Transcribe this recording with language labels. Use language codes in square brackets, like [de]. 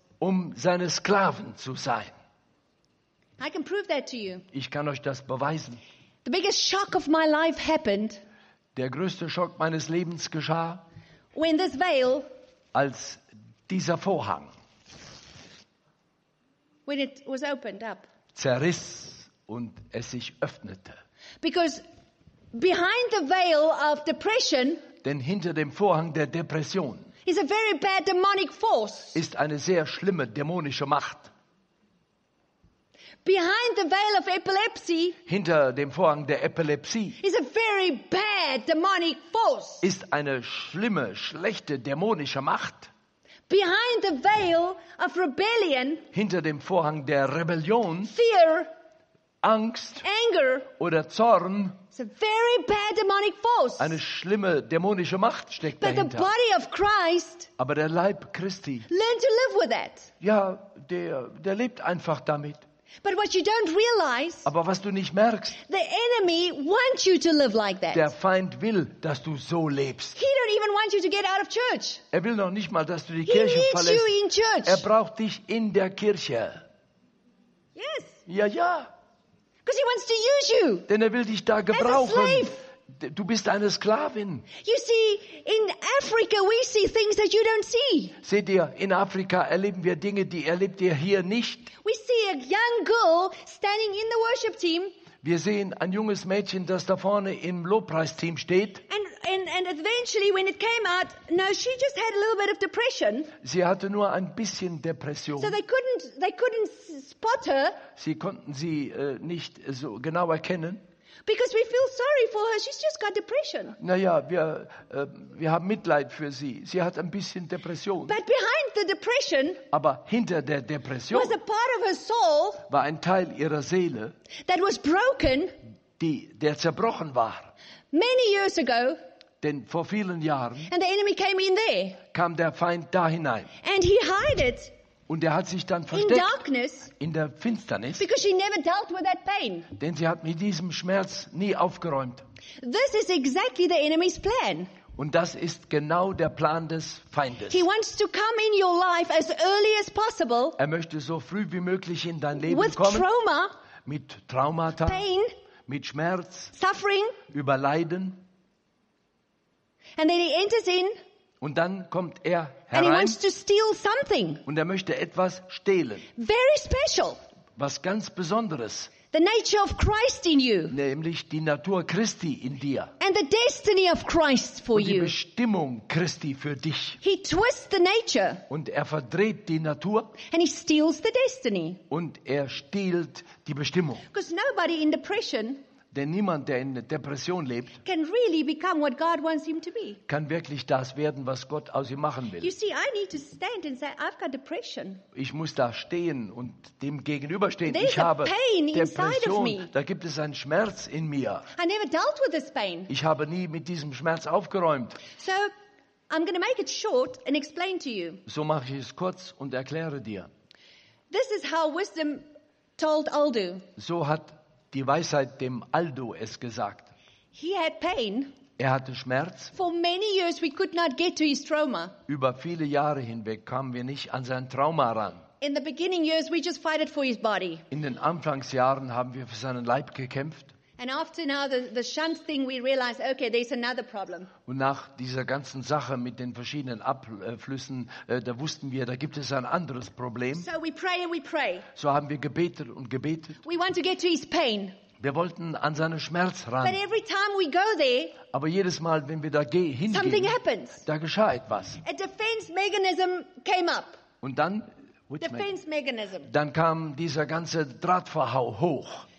[de] um seine Sklaven zu sein. [en] I can prove that to you. [de] Ich kann euch das beweisen. [en] The biggest shock of my life happened. [de] Der größte Schock meines Lebens geschah, [en] when this veil, [de] als dieser Vorhang, [en] when it was opened up, [de] zerriss und es sich öffnete. [en] Because behind the veil of depression, [de] denn hinter dem Vorhang der Depression, [en] is a very bad demonic force, [de] ist eine sehr schlimme dämonische Macht. [en] Behind the veil of epilepsy, [de] hinter dem Vorhang der Epilepsie, [en] is a very bad demonic force, [de] ist eine schlimme, schlechte dämonische Macht. [en] Behind the veil of rebellion, [de] hinter dem Vorhang der Rebellion, [en] fear, [de] Angst, [en] anger, [de] oder Zorn, [en] it's a very bad demonic force. [de] Eine schlimme dämonische Macht steckt dahinter. [en] But the body of Christ, [de] aber der Leib Christi, [en] learn to live with that. [de] Ja, der lebt einfach damit. [en] But what you don't realize, [de] aber was du nicht merkst, [en] the enemy wants you to live like that. [de] Der Feind will, dass du so lebst. [en] He don't even want you to get out of church. [de] Er will noch nicht mal, dass du die [en] He [de] Kirche [en] needs [de] verlässt. [en] You in church. [de] Er braucht dich in der Kirche. [en] Yes. [de] Ja, ja. [en] Because he wants to use you. [de] Denn er will dich da gebrauchen. [en] As a slave. [de] Du bist eine Sklavin. [en] You see, in Africa we see things that you don't see. [de] Seht ihr, in Afrika erleben wir Dinge, die erlebt ihr hier nicht. [en] We see a young girl standing in the worship team. [de] Wir sehen ein junges Mädchen, das da vorne im Lobpreisteam steht. [en] And eventually when it came out, no, she just had a little bit of depression. [de] Sie hatte nur ein bisschen Depression. [en] So they couldn't spot her. [de] Sie konnten sie nicht so genau erkennen. [en] Because we feel sorry for her, she's just got depression. [de] Naja, wir haben Mitleid für sie. Sie hat ein bisschen Depression. [en] But behind the depression, [de] aber hinter der Depression, [en] was a part of her soul, [de] war ein Teil ihrer Seele, [en] that was broken, [de] der zerbrochen war. [en] Many years ago, [de] denn vor vielen Jahren, [en] and the enemy came in there, [de] kam der Feind da hinein, [en] and he hid it, [de] und er hat sich dann versteckt, [en] in darkness, [de] in der Finsternis, [en] because she never dealt with that pain, [de] denn sie hat mit diesem Schmerz nie aufgeräumt. [en] This is exactly the enemy's plan. [de] Und das ist genau der Plan des Feindes. [en] He wants to come in your life as early as possible. [de] Er möchte so früh wie möglich in dein Leben [en] with [de] kommen. [en] Trauma, [de] mit Traumata, [en] pain, [de] mit Schmerz, [en] suffering, [de] über Leiden. [en] And then he enters in, [de] und dann kommt er herein, [en] and he wants to steal something, [de] und er möchte etwas stehlen. [en] Very special, [de] was ganz Besonderes. [en] The nature of Christ in you, [de] nämlich die Natur Christi in dir, [en] and the destiny of Christ for you, [de] und die Bestimmung Christi für dich. [en] He twists the nature, [de] und er verdreht die Natur, [en] and he steals the destiny, [de] und er stiehlt die Bestimmung. [en] Because nobody in depression, [de] denn niemand, der in Depression lebt, [en] can really become what God wants him to be, [de] kann wirklich das werden, was Gott aus ihm machen will. [en] You see, I need to stand and say, I've got depression. [de] Ich muss da stehen und dem gegenüberstehen. [en] There's [de] ich habe [en] pain [de] Depression. [en] Inside of me. [de] Da gibt es einen Schmerz in mir. [en] I never dealt with this pain. [de] Ich habe nie mit diesem Schmerz aufgeräumt. [en] So, I'm going to make it short and explain to you. [de] So mache ich es kurz und erkläre dir. [en] This is how wisdom told Aldo. [de] So hat die Weisheit dem Aldo es gesagt. [en] He had pain. [de] Er hatte Schmerz. [en] For many years we could not get to his trauma. [de] Über viele Jahre hinweg kamen wir nicht an sein Trauma ran. [en] In the beginning years we just fought for his body. [de] In den Anfangsjahren haben wir für seinen Leib gekämpft. [en] And after now the shunt thing we realized, okay, there's another problem. [de] Und nach dieser ganzen Sache mit den verschiedenen Abflüssen, da wussten wir, da gibt es ein anderes Problem. [en] So we pray and we pray. [de] So haben wir gebetet und gebetet. [en] We want to get to his pain. [de] Wir wollten an seinen Schmerz ran. [en] But every time we go there, [de] aber jedes Mal, wenn wir da hingehen, [en] something happens. [de] Da geschah etwas. [en] A defense mechanism came up. [de] Und dann, [en] defense mechanism. [de] Dann kam dieser ganze Drahtverhau hoch.